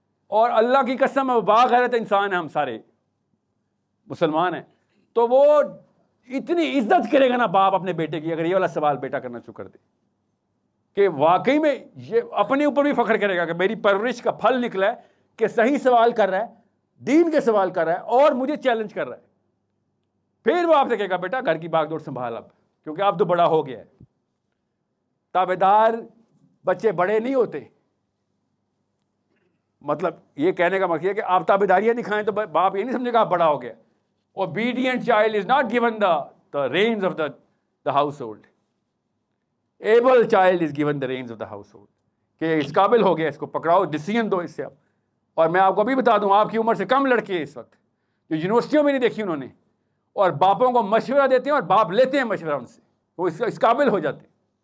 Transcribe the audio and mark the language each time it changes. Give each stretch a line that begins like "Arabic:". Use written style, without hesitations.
Urdu: اور اللہ کی قسم باغیرت انسان ہیں ہم سارے مسلمان ہیں, تو وہ اتنی عزت کرے گا نا باپ اپنے بیٹے کی اگر یہ والا سوال بیٹا کرنا شروع کر دے, کہ واقعی میں یہ اپنے اوپر بھی فخر کرے گا کہ میری پرورش کا پھل نکلا ہے کہ صحیح سوال کر رہا ہے, دین کے سوال کر رہا ہے اور مجھے چیلنج کر رہا ہے. پھر وہ آپ سے کہے گا بیٹا گھر کی باغ دوڑ سنبھال اب, کیونکہ اب تو بڑا ہو گیا ہے. تابے دار بچے بڑے نہیں ہوتے, مطلب یہ کہنے کا مقصد ہے کہ آپ تابے داریاں دکھائیں تو باپ یہ نہیں سمجھے گا آپ بڑا ہو گیا.
English: Obedient child is not given the reins of the household. Able child is given the reins of the household.
Urdu: کہ اس قابل ہو گیا, اس کو پکڑاؤ, ڈسیزن دو اس سے آپ. اور میں آپ کو ابھی بتا دوں, آپ کی عمر سے کم لڑکے ہیں اس وقت جو یونیورسٹیوں میں نہیں دیکھی انہوں نے, اور باپوں کو مشورہ دیتے ہیں اور باپ لیتے ہیں مشورہ ان سے, وہ اس قابل ہو جاتے ہیں.